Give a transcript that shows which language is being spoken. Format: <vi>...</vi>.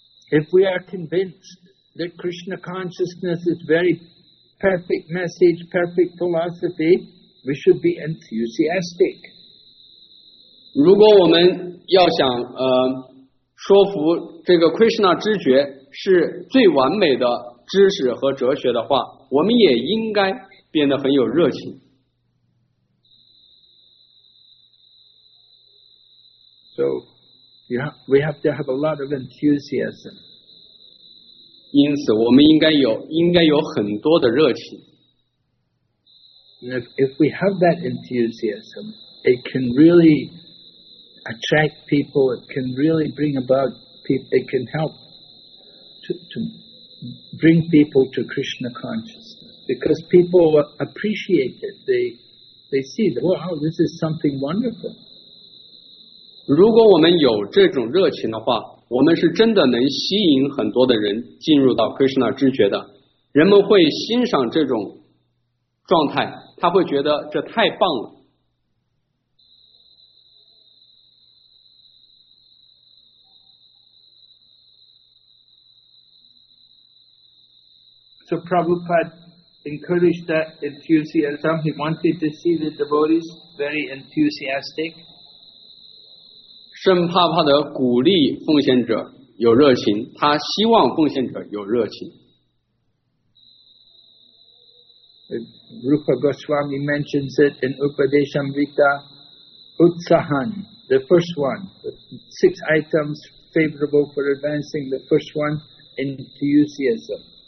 <en>If we are convinced that Krishna consciousness is very perfect message, perfect philosophy, we should be enthusiastic.</en> <zh>如果我们要想说服这个 Krishna 知觉是最完美的知识和哲学的话，我们也应该变得很有热情。</zh> <en>So, we have to have a lot of enthusiasm.</en> <zh>因此我们应该有很多的热情。</zh> <en>If we have that enthusiasm, it can really attract people, it can really bring about people, it can help to bring people to Krishna consciousness. Because people appreciate it, they see that, wow, this is something wonderful.</en> <zh>如果我们有这种热情的话，我们是真的能吸引很多的人进入到 Krishna 知觉的，人们会欣赏这种状态，他会觉得这太棒了。</zh> <en>So Prabhupada encouraged that enthusiasm. He wanted to see the devotees very enthusiastic.</en> <zh>圣帕帕德鼓励奉献者有热情，他希望奉献者有热情。</zh> <en>Rupa Goswami mentions it in Upadeshamrita Utsahan, the first one, the six items favorable for advancing the first one, enthusiasm.</en>